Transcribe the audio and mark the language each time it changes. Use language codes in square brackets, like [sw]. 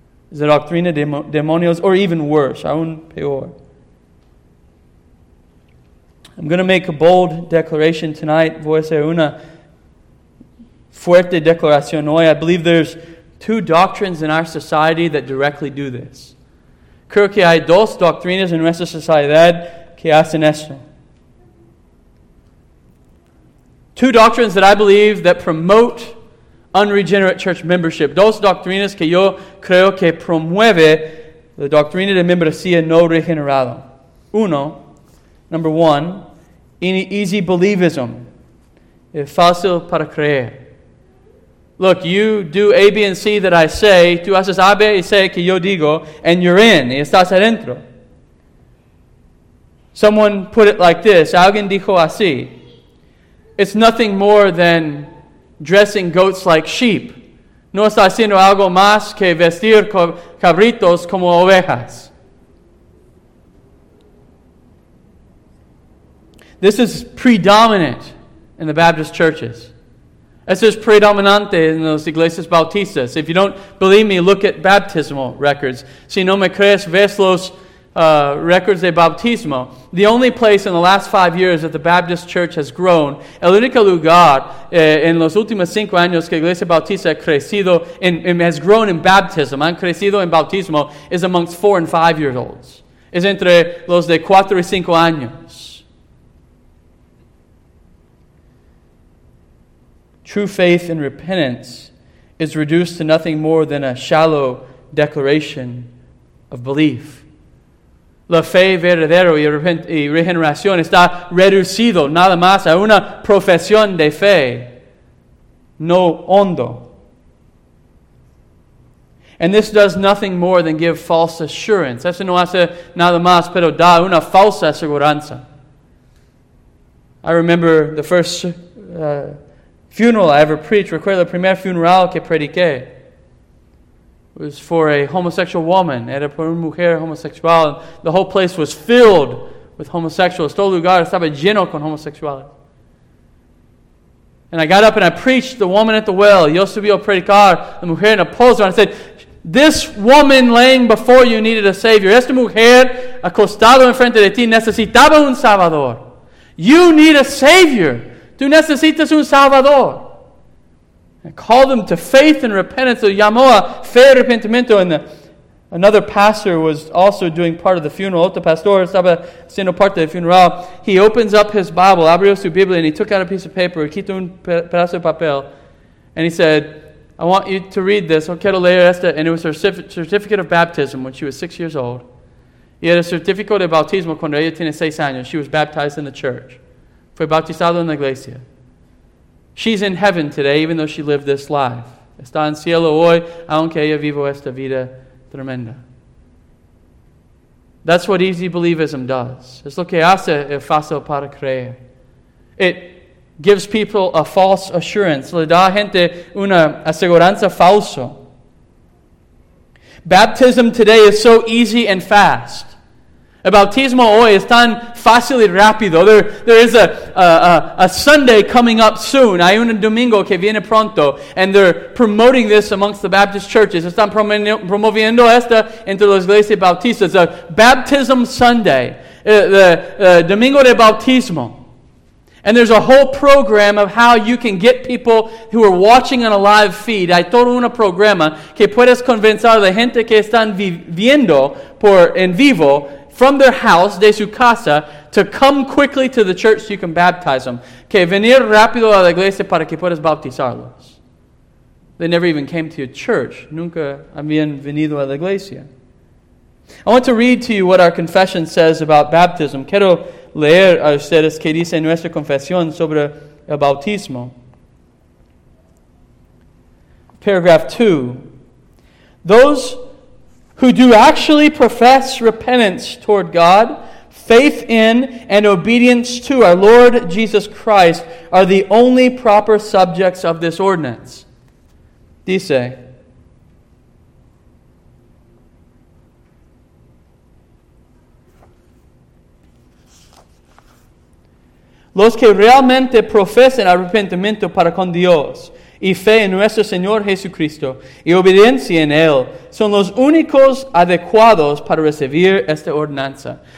[en] Is the [es] doctrina de demonios, [en] or even worse, [es] aún peor. [en] I'm going to make a bold declaration tonight. [es] Voy a hacer una fuerte declaración hoy. [en] I believe there's two doctrines in our society that directly do this. [es] Creo que hay dos doctrinas en nuestra sociedad que hacen esto. [en] Two doctrines that I believe that promote unregenerate church membership. [es] Dos doctrinas que yo creo que promueve la doctrina de membresía no regenerada. Uno, [en] number one, easy believism. [es] Es fácil para creer. [en] Look, you do A, B, and C that I say. [es] Tú haces A, B, y C que yo digo, [en] and you're in. [es] Y estás adentro. [en] Someone put it like this. [es] Alguien dijo así. [en] It's nothing more than dressing goats like sheep. [es] No está haciendo algo más que vestir cabritos como ovejas. [en] This is predominant in the Baptist churches. [es] Eso es predominante en las iglesias bautistas. [en] If you don't believe me, look at baptismal records. [es] Si no me crees, ves los records de bautismo. [en] The only place in the last 5 years that the Baptist church has grown, [es] el único lugar en los últimos 5 años que la iglesia bautista ha crecido, [en] has grown in baptism, [es] han crecido en bautismo, [en] is amongst 4 and 5 year olds. [es] Es entre los de 4 y 5 años. [en] True faith and repentance is reduced to nothing more than a shallow declaration of belief. [es] La fe verdadero y regeneración está reducido nada más a una profesión de fe, no hondo. [en] And this does nothing more than give false assurance. [es] Eso no hace nada más, pero da una falsa seguridad. [en] I remember the first funeral I ever preached. [es] Recuerdo el primer funeral que prediqué. [en] It was for a homosexual woman. [es] Era por una mujer homosexual. [en] The whole place was filled with homosexuals. [es] Todo lugar estaba lleno con homosexuales. [en] And I got up and I preached the woman at the well. [es] Yo subí a predicar la mujer en el pozo. [en] And I said, this woman laying before you needed a Savior. [es] Esta mujer acostada enfrente de ti necesitaba un Salvador. [en] You need a Savior. [es] Tú necesitas un Salvador. [en] I called them to faith and repentance. [es] Llamó a fe y arrepentimiento. [en] And another pastor was also doing part of the funeral. [es] Otro pastor estaba siendo parte del funeral. [en] He opens up his Bible, [es] abrió su Biblia, [en] and he took out a piece of paper, [es] quitó un pedazo de papel, [en] and he said, I want you to read this. [es] Quiero leer esta. [en] And it was her certificate of baptism when she was 6 years old. [es] Y era certificado de bautismo cuando ella tiene 6 años. [en] She was baptized in the church. [es] Fue bautizado en la iglesia. [en] She's in heaven today, even though she lived this life. [es] Está en cielo hoy, aunque ella vivo esta vida tremenda. [en] That's what easy believism does. [es] Es lo que hace el fácil para creer. [en] It gives people a false assurance. [es] Le da a gente una aseguranza falso. [en] Baptism today is so easy and fast. [es] El bautismo hoy es tan fácil y rápido. [en] There is a Sunday coming up soon. [es] Hay un domingo que viene pronto. [en] And they're promoting this amongst the Baptist churches. [es] Están promoviendo esta entre las iglesias bautistas. [en] A baptism Sunday. [es] The domingo de bautismo. [en] And there's a whole program of how you can get people who are watching on a live feed. [es] Hay todo un programa que puedes convencer a la gente que están viendo por en vivo [en] from their house, [es] de su casa, [en] to come quickly to the church so you can baptize them. [es] Que venir rápido a la iglesia para que puedas bautizarlos. [en] They never even came to your church. [es] Nunca habían venido a la iglesia. [en] I want to read to you what our confession says about baptism. [es] Quiero leer a ustedes que dice nuestra confesión sobre el bautismo. [en] Paragraph 2. Those who do actually profess repentance toward God, faith in and obedience to our Lord Jesus Christ are the only proper subjects of this ordinance. [es] Dice, los que realmente profesan arrepentimiento para con Dios y fe en nuestro Señor Jesucristo y obediencia en Él son los únicos adecuados para recibir esta ordenanza.